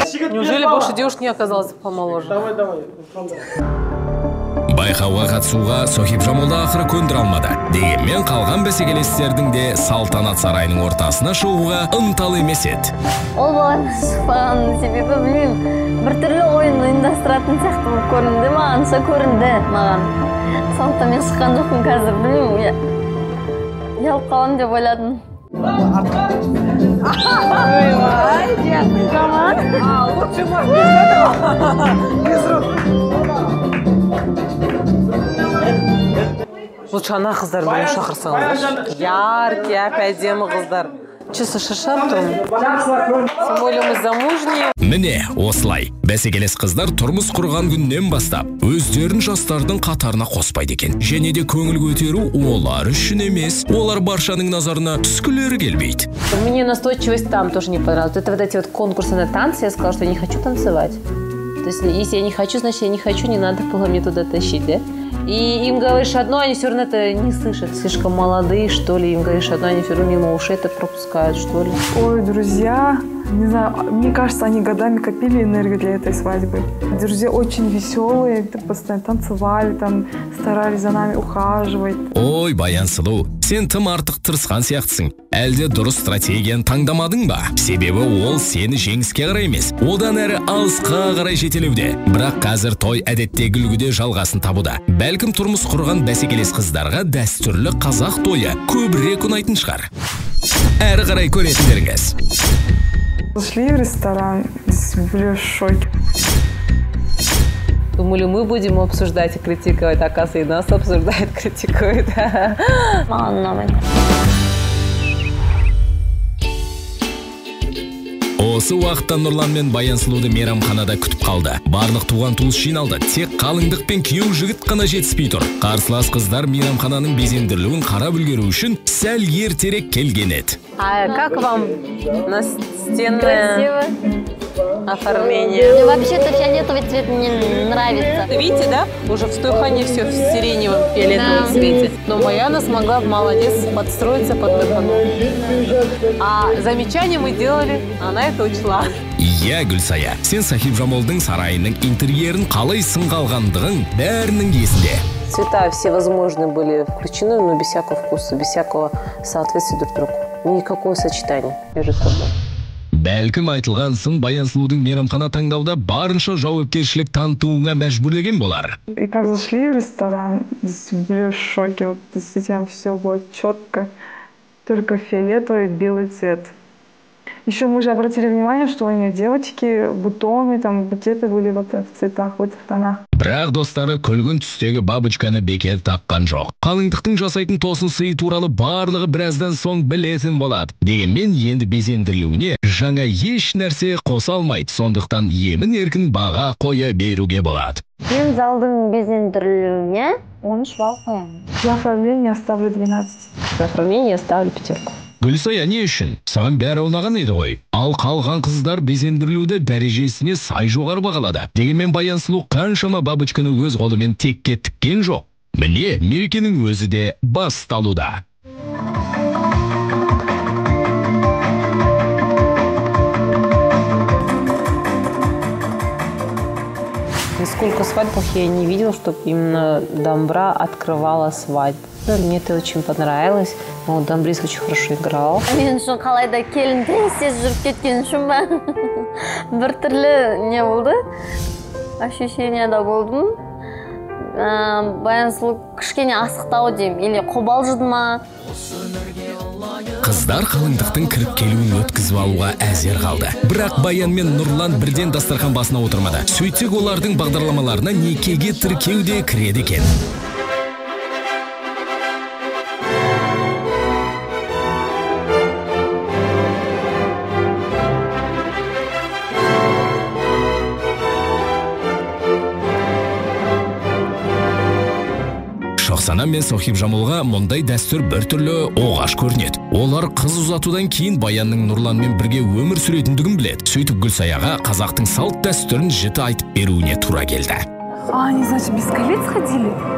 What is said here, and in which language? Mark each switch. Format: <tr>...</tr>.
<ru>Неужели больше девушек не оказалось помоложе? Давай, давай.</ru> <kk>Байқауға қатысуға Сохиб Жамолда ақыры көндір алмады. Дегенмен қалған бәсекелестердің де салтанат сарайының ортасына шығуға ынталы емес еді. Ол болған шықпаған себебі білмеймін. Бір түрлі ойын ұйымдастыратын сияқты болып көрінді, мағанша көрінді маған. Салтанатта мен шыққан жоқпын қазір, білмеймін. Ұялып қалам деп ойладым.</kk> <ru>Лучше она</ru> <kk>қыздар бұл шақырсаңыз.</kk> <ru>Яркий,</ru> <kk>әп-әдемі қыздар. Чесы шышап тұрмын.</kk> <ru>Замужние.</ru> <kk>Міне, осылай. Бәсекелес қыздар тұрмыс құрған күннен бастап, өздерін жастардың қатарына қоспайды екен. Және де көңіл көтеру олар үшін емес, олар баршаның назарына түскілері келмейді.</kk> <ru>Мене настойчивость там тоже не понравилась. Это вот эти вот конкурсы на танцы, я сказала, что я не хочу танцевать. То есть, если я не хочу, значит, я не хочу, не надо было мне туда тащить, да? И им говоришь одно, они все равно это не слышат. Слишком молодые, что ли, им говоришь одно, они все равно мимо ушей это пропускают, что ли. Ой, друзья, не знаю, мне кажется, они годами копили энергию для этой свадьбы. Друзья очень веселые, постоянно танцевали, там, старались за нами ухаживать.</ru> <kk>Ой, Баян Сылу, сен тым артық тырысқан сияқтысың. Әлде дұрыс стратегияны таңдамадың ба? Себебі ол сені жеңіске қарай емес, одан әрі алысқа қарай жетелеуде. Бірақ қазір той әдетте гүлгіде жалғасын табуда. Бәлкім тұрмыс құрған бәсекелес қыздарға дәстүрлі қазақ тойы көбірек ұнайтын шығар. Әрі қарай көретіндеріңіз.</kk> <ru>Ушли в ресторан, были в шоке. Думали, мы будем обсуждать и критиковать, оказывается, и нас обсуждают, критикуют. Мало.</ru> <kk>Осы уақытта Нұрлан мен Баян Сұлуды мейрамханада күтіп қалды. Барлық туған-туыс жиналды. Тек қалыңдық пен күйеу жігіт қана жетіспей тұр. Қарсылас қыздар мейрамхананың безендірілуін қарап үлгеру үшін сәл ертерек келген еді.</kk> <ru>Ай, как вам настенное оформление? Ну, вообще-то фиолетовый цвет мне нравится. Видите, да? Уже в Стойхане все в сиреневом фиолетовом цвете. Но Баяна смогла в молодец подстроиться под Нұрлану. А замечания мы делали, она это учла.</ru> <kk>Я Гүлсая, сен Сахиб Жамолдың сарайының интерьерін қалай сыңғалғандығың бәрінің есінде.</kk> <ru>Цвета всевозможные были включены, но без всякого вкуса, без всякого соответствия друг другу. Никакого сочетания между собой.</ru> <kk>Бәлкім айтылған сын Баян Сұлудың мейрамхана таңдауда барынша жауапкершілік танытуына мәжбүрлеген болар.</kk> <ru>И как зашли в ресторан, были в шоке, вот действительно все было четко, только фиолетовый, белый цвет. Еще мы уже обратили внимание, что у нее девочки, бутоны, там букеты были вот в цветах, вот в тонах.</ru> <kk>Бірақ достары күлгін түстегі бабычканы бекер таққан жоқ. Қалыңдықтың жасайтын тосын сый туралы барлығы біраздан соң білетін болады. Дегенмен енді безендірілуіне жаңа еш нәрсе қоса алмайды, сондықтан емін еркін баға қоя беруге болады. Мен залдың безендірілуіне 13 балл қоямын.</kk> <ru>За оформление ставлю 12. За оформление ставлю пятерку.</ru> <kk>Гүлсая, не үшін? Саған бәрі ұнаған еді ғой. Ал қалған қыздар безендірілуді дәрежесіне сай жоғары бағалады. Дегенмен Баян Сұлу қаншама бабычканы өз қолымен текке тіккен жоқ. Міне, мерекенің өзі де басталуда.</kk> <ru>Сколько свадьбах я не видел, чтоб именно домбра открывала свадьбу. Мне это очень понравилось. Ну, Домбриз очень хорошо играл.</ru> <kk>Мен шо қалайда келінді сез жүріп кеткен шо ма? Бір түрлі не болды? Ощущенияда болдым. Баян Сұлу кішкене асықтау дейм. Или қобалжыды ма? Қыздар қалыңдықтың кіріп келуін өткізіп алуға әзер қалды. Бірақ Баян мен Нұрлан бірден дастархан басына отырмады. Сөйтсек олардың бағдарламаларына некеге тіркеу де кіреді екен. Сана мен Сохиб Жамолға мұндай дәстүр бір түрлі оғаш көрінеді. Олар қыз ұзатудан кейін Баянның Нұрланмен бірге өмір сүретіндігін біледі. Сөйтіп Гүлсаяға қазақтың салт дәстүрін жіті айтып беруіне тура келді.</kk> <ru>А, не значит, без колец ходили?</ru>